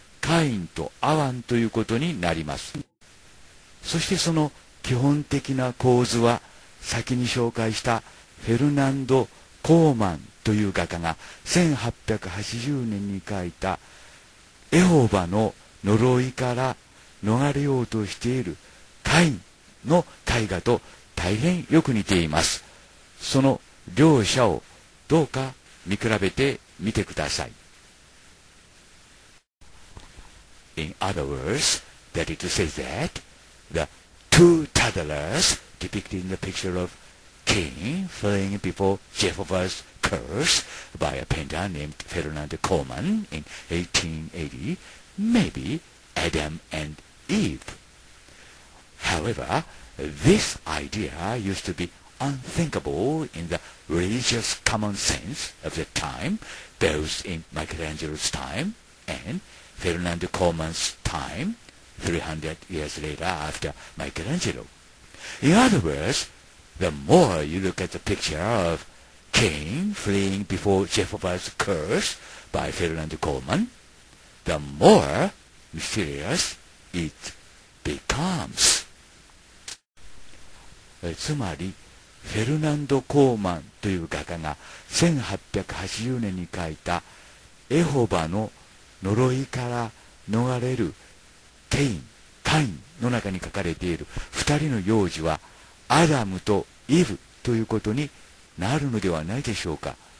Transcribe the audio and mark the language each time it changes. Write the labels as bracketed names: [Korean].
[Japanese] カインとアワンということになります。そしてその基本的な構図は、先に紹介したフェルナンド・コーマンという画家が1880年に描いたエホバの呪いから逃れようとしているカインの絵画と大変よく似ています。その両者をどうか見比べてみてください。 [English] In other words, that is to say that the two toddlers depicted in the picture of Cain fleeing before Jehovah's curse by a painter named Ferdinand Coleman in 1880 may be Adam and Eve. However, this idea used to beUnthinkable in the religious common sense of the time, both in Michelangelo's time and Ferdinand Coleman's time, 300 years later after Michelangelo. In other words, the more you look at the picture of Cain fleeing before Jehovah's curse by Ferdinand Coleman, the more mysterious it becomes. [Japanese] つまりフェルナンド・コーマンという画家が1880年に描いたエホバの呪いから逃れるケイン、カインの中に描かれている2人の幼児はアダムとイブということになるのではないでしょうか。